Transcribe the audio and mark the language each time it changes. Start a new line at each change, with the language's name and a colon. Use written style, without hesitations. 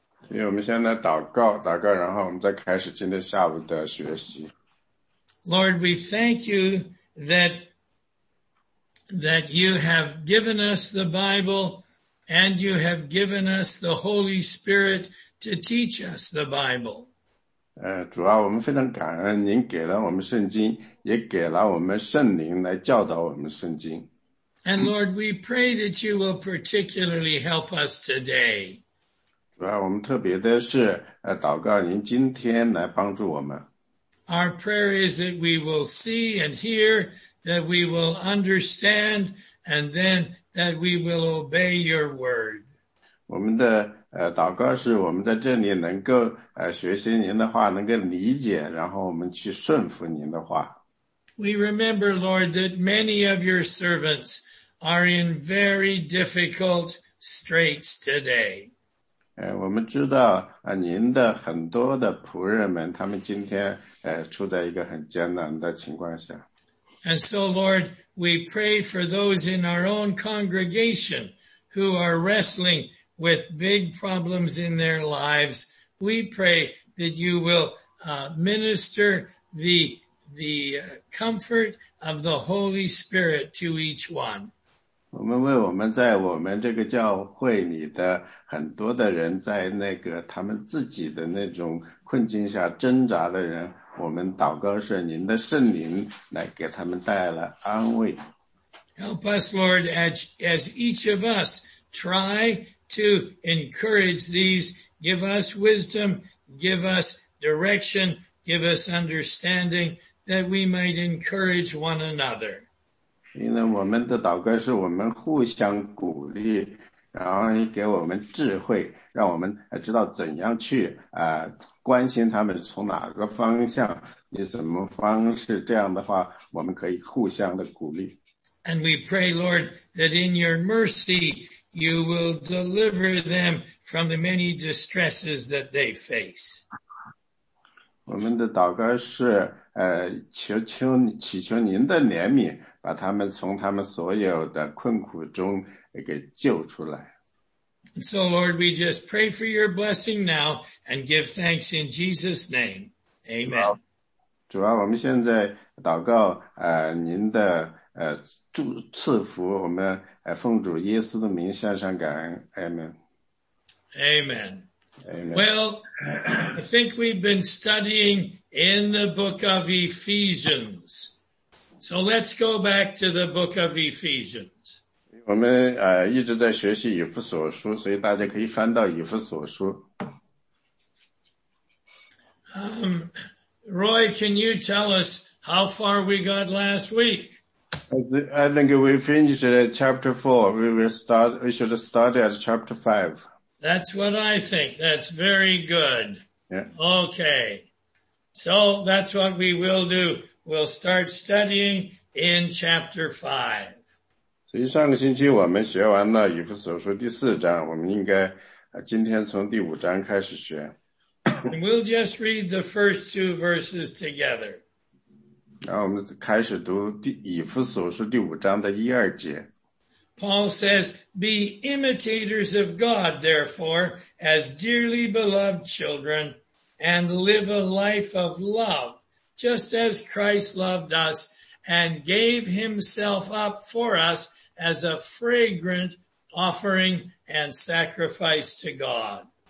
Chinese: 因为我们现在祷告，祷告，然后我们再开始今天下午的学习。
English: Lord, we thank you that you have given us the Bible and you have given us the Holy Spirit to teach us the Bible.
Chinese: 主啊，我们非常感恩您给了我们圣经，也给了我们圣灵来教导我们圣经。
English: And Lord, we pray that you will particularly help us today.
Chinese: 主要我们特别的是，祷告您今天来帮助我们。
English: Our prayer is that we will see and hear, that we will understand, and then that we will obey your word.
Chinese: 我们的祷告是我们在这里能够学习您的话，能够理解，然后我们去顺服您的话。
English: We remember, Lord, that many of your servants are in very difficult straits today.
Chinese: 我们知道您的很多的仆人们，他们今天处在一个很艰难的情况下。
English: And so, Lord, we pray for those in our own congregation who are wrestling with big problems in their lives. We pray that you will minister the comfort of the Holy Spirit to each one.
Chinese: 我们为我们在我们这个教会里的很多的人，在那个他们自己的那种困境下挣扎的人，我们祷告是您的圣灵来给他们带来安慰。
English: Help us, Lord, as each of us try to encourage these, give us wisdom, give us direction, give us understanding, that we might encourage one another.
Chinese: 因为我们的祷告是我们互相鼓励，然后给我们智慧，让我们知道怎样去关心他们，从哪个方向，以什么方式，这样的话我们可以互相的鼓励。
English: And we pray, Lord, that in your mercy you will deliver them from the many distresses that they face.
Chinese: 我们的祷告是祈求您的怜悯，把他们从他们所有的困苦中给救出来。
English: So Lord, we just pray for your blessing now and give thanks in Jesus' name. Amen.
Chinese: 主啊，我们现在祷告您的赐福，我们奉主耶稣的名献上感恩。
English: Amen. Amen. Well, I think we've been studying in the book of Ephesians. So let's go back to the book of Ephesians.
Chinese: 我们一直在学习以弗所书，所以大家可以翻到以弗所书。
English: Roy, can you tell us how far we got last week? I think we finished at chapter 4. We should start at chapter 5. That's what I think. That's very good. Yeah. Okay. So that's what we will do. We'll start studying in chapter 5.
Chinese: 所以上个星期我们学完了以弗所书第四章，我们应该今天从第五章开始学。
English: And we'll just read the first two verses together.
Chinese: 然后我们开始读以弗所书第五章的一二节。
English: Paul says, be imitators of God, therefore, as dearly beloved children, and live a life of love, just as Christ loved us and gave himself up for us as a fragrant offering and sacrifice to God.